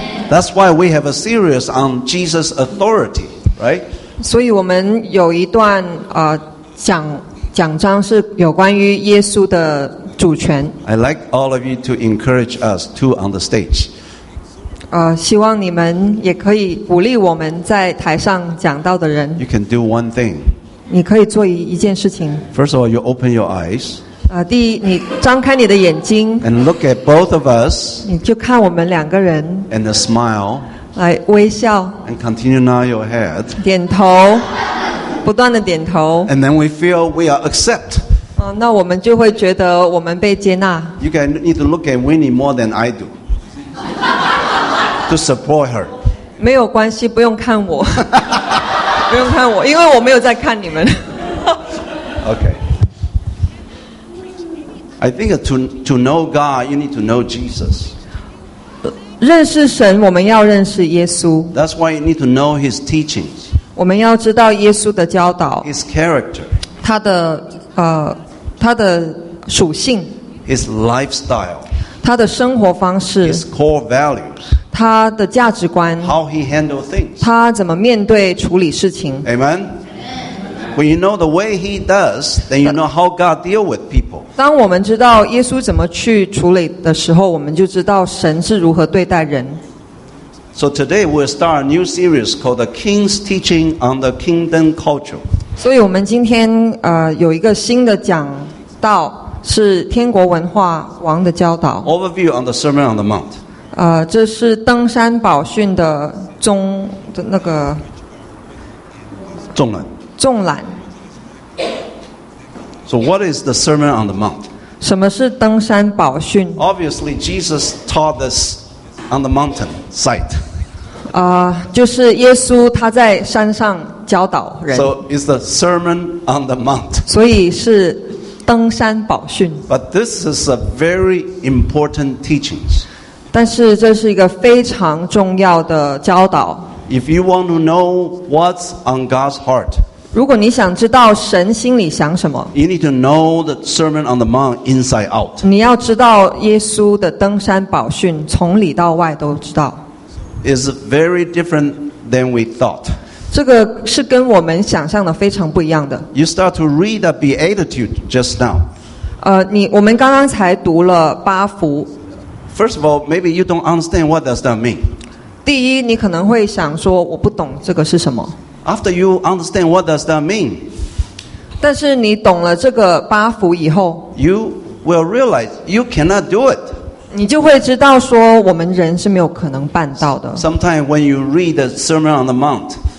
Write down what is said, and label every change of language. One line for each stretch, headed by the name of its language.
English: That's why we have a series on Jesus' authority, right?
Chinese: 所以我们有一段讲章是有关于耶稣的主权。
English: I like all of you to encourage us too on the stage.
Chinese: 希望你们也可以鼓励我们在台上讲到的人。
English: You can do one thing.
Chinese: 你可以做一件事情。
English: First of all, you open your eyes.
Chinese: 第一，你张开你的眼睛。
English: And look at both of us.
Chinese: 你就看我们两个人。
English: And a smile.
Chinese: 来微笑。
English: And continue nod your head.
Chinese: 点头。不断的点头。
English: And then we feel we are accept.
Chinese: 那我们就会觉得我们被接纳。
English: You can need to look at Winnie more than I do. To support her.
Chinese: 没有关系，不用看我。不用看我，因为我没有在看你们。 Okay.
English: I think to know God, you need to know Jesus.
Chinese: 认识神，我们要认识耶稣。
English: That's why you need to know his teachings.
Chinese: 我们要知道耶稣的教导
English: His character
Chinese: 他的属性
English: His lifestyle
Chinese: 他的生活方式
English: His core values
Chinese: 他的价值观
English: How he handle things
Chinese: 他怎么面对处理事情
English: Amen When you know the way he does, then you know how God deals with people.
Chinese: 当我们知道耶稣怎么去处理的时候，我们就知道神是如何对待人。
English: So today we'll start a new series called The King's Teaching on the Kingdom Culture.
Chinese: 所以我们今天有一个新的讲道，是天国文化王的教导。
English: Overview on the Sermon on the Mount.
Chinese: 这是登山宝训的中的那个纵览。纵览。
English: So what is the Sermon on the Mount?
Chinese: 什么是登山宝训？
English: Obviously, Jesus taught this on the mountain site.
Chinese: 就是耶稣他在山上教导人。
English: So it's the Sermon on the Mount.
Chinese: 所以是登山宝训。
English: But this is a very important teaching.
Chinese: 但是这是一个非常重要的教导。
English: If you want to know what's on God's heart,
Chinese: 如果你想知道神心里想什么，
English: you need to know the Sermon on the Mount inside out.
Chinese: 你要知道耶稣的登山宝训，从里到外都知道。
English: It's very different than we thought.
Chinese: 这个是跟我们想象的非常不一样的。
English: You start to read the Beatitude just now.
Chinese: 我们刚刚才读了八福。
English: First of all, maybe you don't understand what does that mean.
Chinese: 第一，你可能会想说，我不懂这个是什么。
English: After you understand what does that mean,
Chinese: 但是你懂了这个八福以后，
English: you will realize you cannot do it.
Chinese: 你就会知道说，我们人是没有可能办到的。
English: Sometimes when you read the Sermon on the Mount,